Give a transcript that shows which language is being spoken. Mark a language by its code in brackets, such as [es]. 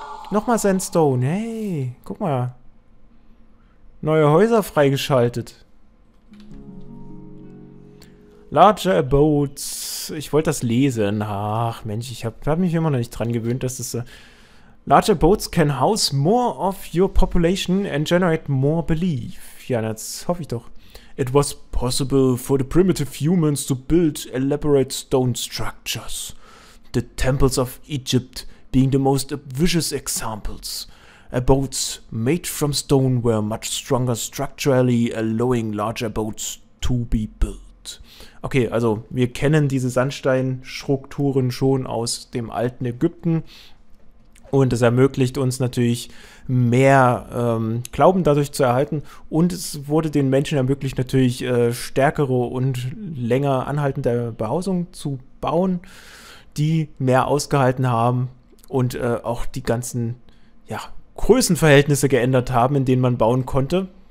[de] Nochmal Sandstone, hey, guck mal. Neue Häuser freigeschaltet. Larger Abodes. Ich wollte das lesen. Ach, Mensch, ich hab mich immer noch nicht dran gewöhnt, dass das... [en] Larger Abodes can house more of your population and generate more belief. [de] Ja, das hoffe ich doch. [en] It was possible for the primitive humans to build elaborate stone structures. The temples of Egypt being the most vicious examples. Abodes made from stone were much stronger structurally, allowing larger boats to be built. [de] Okay, also wir kennen diese Sandsteinstrukturen schon aus dem alten Ägypten. Und es ermöglicht uns natürlich mehr Glauben dadurch zu erhalten. Und es wurde den Menschen ermöglicht, natürlich stärkere und länger anhaltende Behausung zu bauen, die mehr ausgehalten haben und auch die ganzen, ja, Größenverhältnisse geändert haben, in denen man bauen konnte.